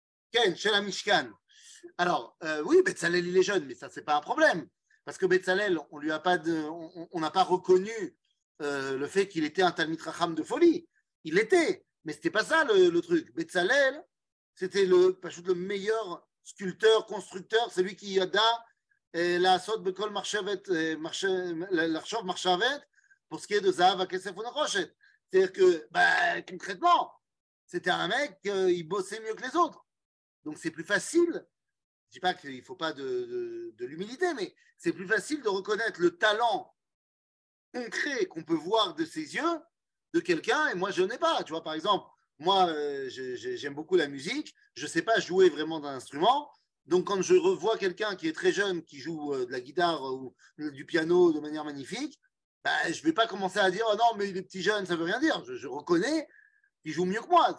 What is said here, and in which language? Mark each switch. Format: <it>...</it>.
<he>Ken,</he> <fr>chez la Mishkan. Alors, oui, Betzalel, il est jeune, mais ça, ce n'est pas un problème. Parce que Betzalel, on n'a pas reconnu le fait qu'il était un Talmid Chacham de folie. Il l'était, mais ce n'était pas ça le truc. Betzalel, c'était le meilleur sculpteur, constructeur, celui qui a</fr> <he>לעשות בכל מחשבת, לחשוב מחשבת,</he> <fr>pour ce qui est de zahav,</fr> <he>הכסף ונחושת.</he> <fr>C'est-à-dire que, concrètement, c'était un mec, il bossait mieux que les autres. Donc c'est plus facile, je ne dis pas qu'il ne faut pas de l'humilité, mais c'est plus facile de reconnaître le talent concret qu'on peut voir de ses yeux de quelqu'un, et moi je n'ai pas. Tu vois, par exemple, moi j'aime beaucoup la musique, je ne sais pas jouer vraiment d'un instrument, donc quand je revois quelqu'un qui est très jeune, qui joue de la guitare ou du piano de manière magnifique, bah, je ne vais pas commencer à dire « Oh non, mais il est petit jeune, ça ne veut rien dire. » Je reconnais qu'il joue mieux que moi.</fr>